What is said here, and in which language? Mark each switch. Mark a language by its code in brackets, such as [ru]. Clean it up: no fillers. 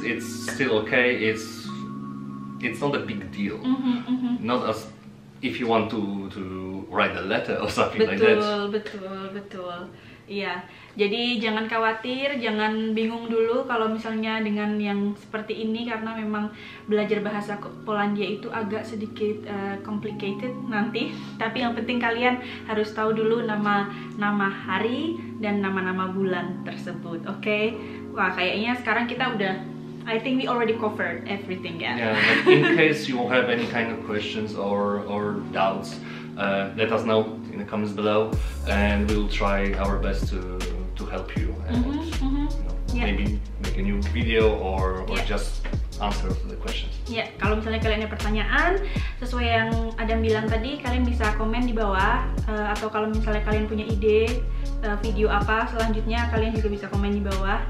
[en] It's still okay. It's not a big deal. Not as if you want to write a letter or something [id] betul, [en] like that. [id] Betul. Yeah. Jadi jangan khawatir, jangan bingung dulu kalau misalnya dengan yang seperti ini, karena memang belajar bahasa Polandia itu agak sedikit complicated nanti. Tapi yang penting kalian harus tahu dulu nama hari dan nama bulan tersebut. [en] Oke? Okay? [id] Wah, kayaknya sekarang kita udah, [en] I think we already covered everything. Yeah. Yeah. In case you have any kind of questions or doubts, let us know in the comments below, and we will try our best to help you and maybe make a new video or just answer to the questions. [id] Yeah, kalau misalnya kalian ada pertanyaan sesuai yang Adam bilang tadi, kalian bisa komen di bawah, atau kalau misalnya kalian punya ide video apa selanjutnya, kalian juga bisa komen di bawah.